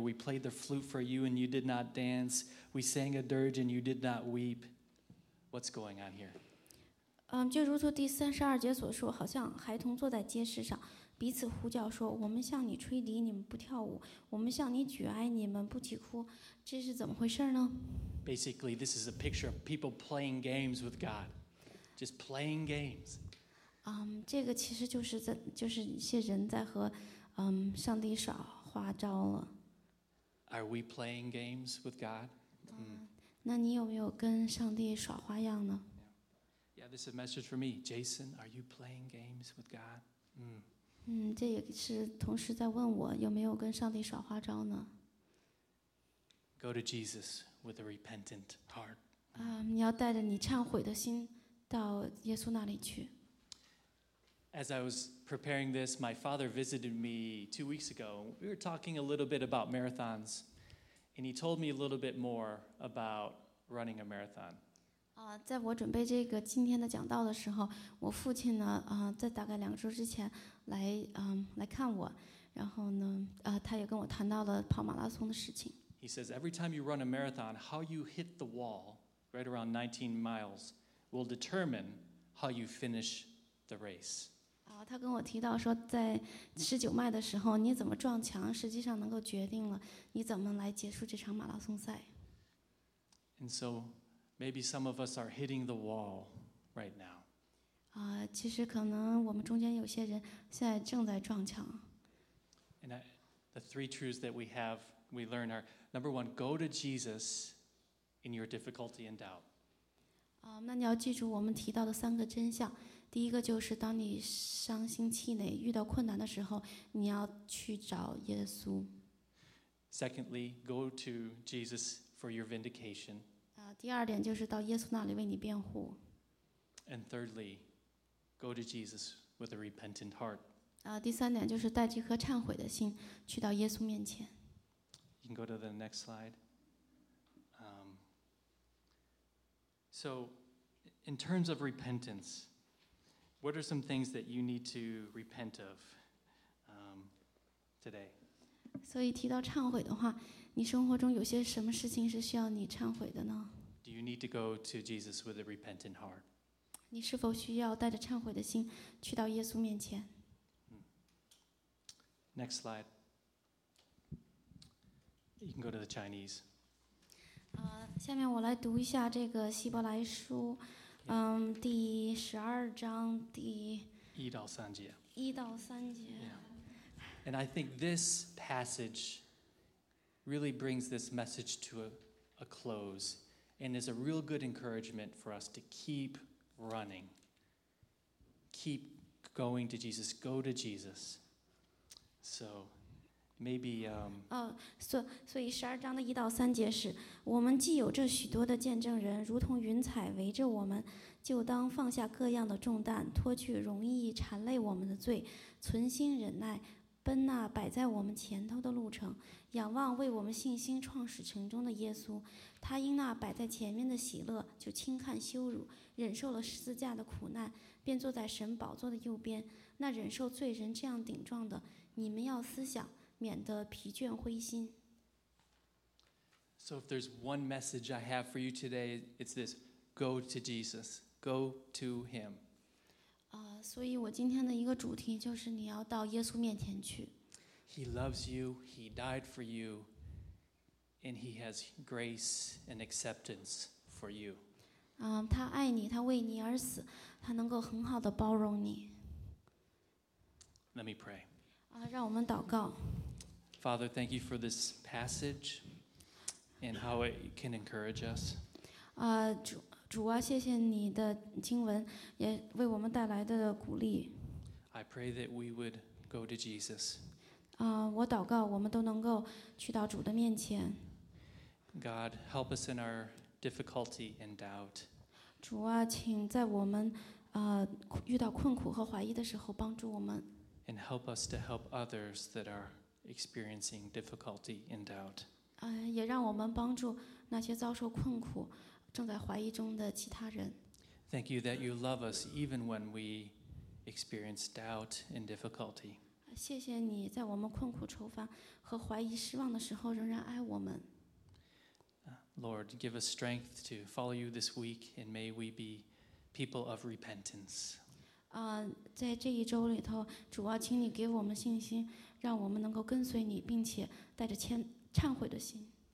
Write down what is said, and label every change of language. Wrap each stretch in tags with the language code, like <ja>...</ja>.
<en>We played the flute for you and you did not dance. We sang a dirge and you did not weep. What's going on here?</en> <zh>就如同第三十二节所说，好像孩童坐在街市上，彼此呼叫说：“我们向你吹笛，你们不跳舞；我们向你举哀，你们不啼哭。” 这是怎么回事呢</zh> <en>？Basically, this is a picture of people playing games with God, just playing games.</en> <zh>这个其实就是在就是一些人在和上帝耍花招了。</zh> <en>Are we playing games with God?</en> <zh>那你有没有跟上帝耍花样呢</zh> <en>？Yeah, this is a message for me, Jason. Are you playing games with God?</en> <zh>这也是同时在问我有没有跟上帝耍花招呢</zh> <en>？Go to Jesus with a repentant heart.</en> <zh>你要带着你忏悔的心到耶稣那里去。</zh> <en>As I was preparing this, my father visited me 2 weeks ago. We were talking a little bit about marathons, and he told me a little bit more about running a marathon.</en> <zh>在我准备这个今天的讲道的时候，我父亲呢，在大概两周之前来看我，然后呢，他也跟我谈到了跑马拉松的事情。</zh> <en>He says every time you run a marathon, how you hit the wall right around 19 miles will determine how you finish the race.</en> <zh>他跟我提到说，在19迈的时候，你怎么撞墙，实际上能够决定了你怎么来结束这场马拉松赛。</zh> <en>And so maybe some of us are hitting the wall right now.</en> <zh>其实可能我们中间有些人现在正在撞墙。</zh> <en>And the three truths that we learn are, number one, go to Jesus in your difficulty and doubt.</en> <zh>那你要记住我们提到的三个真相。第一个就是当你伤心气馁遇到困难的时候，你要去找耶稣。</zh> <en>Secondly, go to Jesus for your vindication.</en> <zh>第二点就是到耶稣那里为你辩护。</zh> <en>And thirdly,Go to Jesus with a repentant heart.</en> <zh>第三点就是带着一颗忏悔的心去到耶稣面前。</zh> <en>You can go to the next slide. So, in terms of repentance, what are some things that you need to repent of today?</en> <zh>所以提到忏悔的话，你生活中有些什么事情是需要你忏悔的呢</zh> <en>？Do you need to go to Jesus with a repentant heart?</en> <zh>你是否需要带着忏悔的心去到耶稣面前</zh> <en>？Next slide. You can go to the Chinese.</en> <zh>下面我来读一下这个希伯来书，第十二章第一到三节。一到三节。</zh> <en>Yeah. And I think this passage really brings this message to a close, and is a real good encouragement for us to keep. Running. keep going to Jesus. Go to Jesus. So maybe.</en> <zh>所以十二章的一到三节是，我们既有这许多的见证人，如同云彩围着我们，就当放下各样的重担，脱去容易缠累我们的罪，存心忍耐，奔那摆在我们前头的路程，仰望为我们信心创始成终的耶稣。他因那摆在前面的喜乐，就轻看羞辱，忍受了十字架的苦难，便坐在神宝座的右边。那忍受罪人这样顶撞的，你们要思想，免得疲倦灰心。</zh> <en>So if there's one message I have for you today, it's this. Go to Jesus. Go to him.</en> <zh>所以我今天的一个主题就是你要到耶稣面前去。</zh> <en>He loves you. He died for you. And he has grace and acceptance for you.</en> <zh>他爱你，他为你而死，他能够很好的包容你。</zh> <en>Let me pray.</en> <zh>让我们祷告。</zh> <en>Father, thank you for this passage and how it can encourage us.</en> <zh>主啊，谢谢你的经文，也为我们带来的鼓励。</zh> <en>I pray that we would go to Jesus.</en> <zh>我祷告，我们都能够去到主的面前。</zh> <en>God, help us in our difficulty and doubt.</en> <zh>主啊，请在我们遇到困苦和怀疑的时候帮助我们。</zh> <en>And help us to help others that are. Experiencing difficulty and doubt.</en> <zh>也让我们帮助那些遭受困苦、正在怀疑中的其他人。</zh> <en>Thank you that you love us even when we experience doubt and difficulty.</en> <zh>谢谢你在我们困苦、愁烦和怀疑、失望的时候仍然爱我们。</zh> <en>Lord, give us strength to follow you this week, and may we be people of repentance.</en> <zh>在这一周里头，主啊，请你给我们信心。让我们能够跟随你，并且带着忏悔的心。</zh>